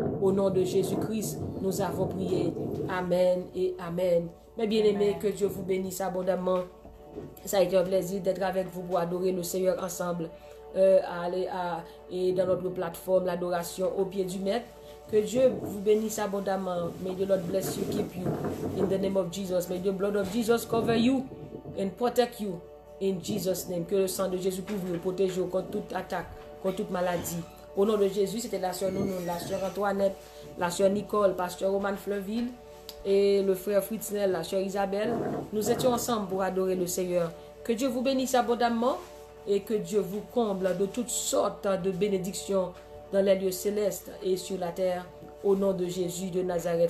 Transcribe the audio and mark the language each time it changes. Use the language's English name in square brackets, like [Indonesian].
[French] Au nom de Jésus-Christ, nous avons prié. Amen et amen. Mes bien-aimés, que Dieu vous bénisse abondamment. Ça a été un plaisir d'être avec vous pour adorer le Seigneur ensemble. Et dans notre plateforme, l'adoration au pied du maître. Que Dieu vous bénisse abondamment. [English] May the Lord bless you, keep you. In the name of Jesus, may the blood of Jesus cover you and protect you. In Jesus' name, [French] que le sang de Jésus couvre et protège contre toute attaque, contre toute maladie. Au nom de Jésus, c'était la sœur Nounou, la sœur Antoinette, la sœur Nicole, pasteur Roman Fleuville, et le frère Fritznel, la sœur Isabelle. Nous étions ensemble pour adorer le Seigneur. Que Dieu vous bénisse abondamment et que Dieu vous comble de toutes sortes de bénédictions dans les lieux célestes et sur la terre, au nom de Jésus de Nazareth.